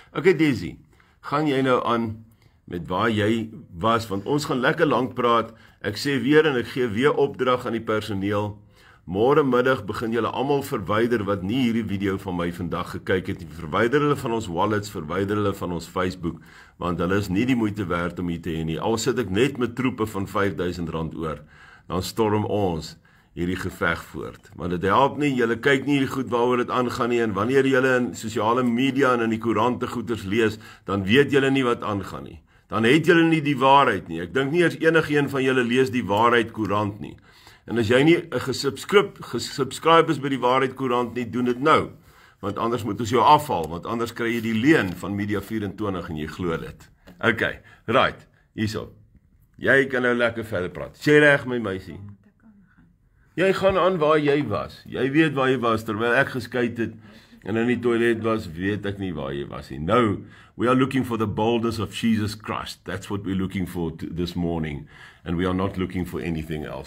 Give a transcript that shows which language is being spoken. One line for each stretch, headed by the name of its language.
Afrikaans: Ok Daisy, gaan jy nou aan met waar jy was, want ons gaan lekker lang praat. Ek sê weer en ek gee weer opdrag aan die personeel, môre middag begin julle almal verwyder wat nie hierdie video van my vandag gekyk het nie. Verwyder hulle van ons wallets, verwyder hulle van ons Facebook, want hulle is nie die moeite werd om hier te hê nie. Al sit ek net met troepe van R5000 oor, dan storm ons hierdie geveg voort. Want dit help nie, julle kyk nie goed waaroor dit aangaan nie, en wanneer julle in sosiale media en in die koerante goeders lees, dan weet julle nie wat aangaan nie. Dan het julle nie die waarheid nie. Ek dink nie eers enigeen van julle lees die waarheid koerant nie. En as jy nie 'n gesubscribe is by die waarheid koerant nie, doen dit nou. Want anders moet ons jou afhaal, want anders kry jy die leen van Media 24 en jy glo dit. Ok, right, hierso. Jy kan nou lekker verder praat. Sê reg my meisie. Jy gaan aan waar jy was. Jy weet waar jy was, terwyl ek geskyt het en in die toilet was, weet ek nie waar jy was nie.
English: Nou, we are looking for the boldness of Jesus Christ. That's what we're looking for this morning. And we are not looking for anything else.